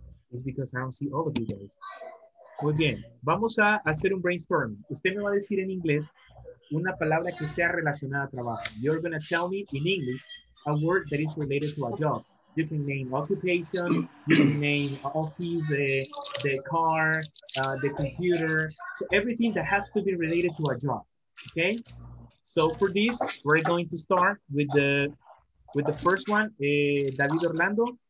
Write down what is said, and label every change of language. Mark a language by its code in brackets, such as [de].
[en] It's because I don't see all of you guys. [es] Muy bien. Vamos a hacer un brainstorming. Usted me va a decir en inglés una palabra que sea relacionada a trabajo. [en] You're going to tell me in English a word that is related to a job. You can name occupation, you can name office, the car, the computer, so everything that has to be related to a job, okay? So for this, we're going to start with the first one, David Orlando.